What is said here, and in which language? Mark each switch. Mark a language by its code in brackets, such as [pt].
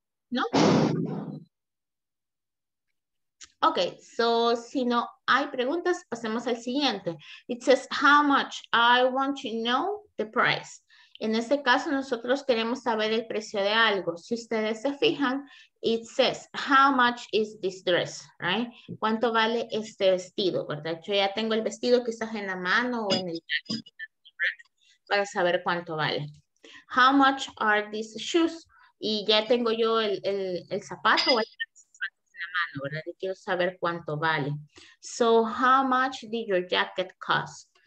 [es] ¿No? Ok, so si no hay preguntas, pasemos al siguiente. [en] It says, how much? I want to know the price. [es] En este caso, nosotros queremos saber el precio de algo. Si ustedes se fijan, [en] it says, how much is this dress, right? [es] ¿Cuánto vale este vestido, verdad? Yo ya tengo el vestido quizás en la mano o en el para saber cuánto vale. [en] How much are these shoes? [es] Y ya tengo yo el zapato o el ¿verdad? Y quiero saber cuánto vale. [en] So, how much did your jacket cost?